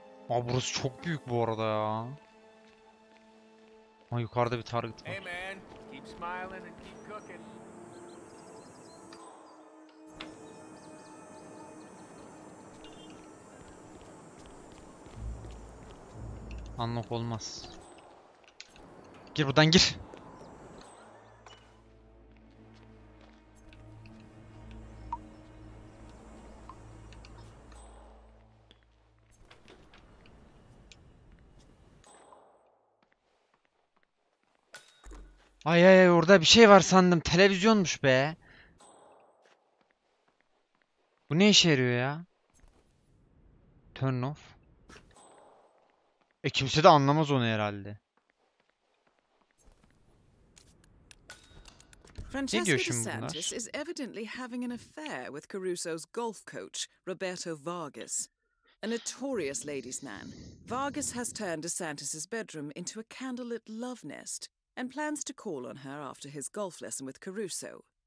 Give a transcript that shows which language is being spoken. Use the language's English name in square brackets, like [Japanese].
[Turkish] Aa, burası çok büyük bu arada ya. Ama yukarıda bir target var. [English] Hey man, keep smiling and keep cooking. [Turkish] Unlock olmaz. Gir buradan gir. Ay ay ay, orada bir şey var sandım. Televizyonmuş be. Bu ne işe yarıyor ya? [English] Turn off. [Turkish] E kimse de anlamaz onu herhalde. Francesca ne diyor şimdi bunlar? [English] DeSantis is evidently having an affair with Caruso's golf coach Roberto Vargas, a notorious ladies man. Vargas has turned DeSantis's bedroom into a candlelit love nest and plans to call on her after his golf lesson with Caruso.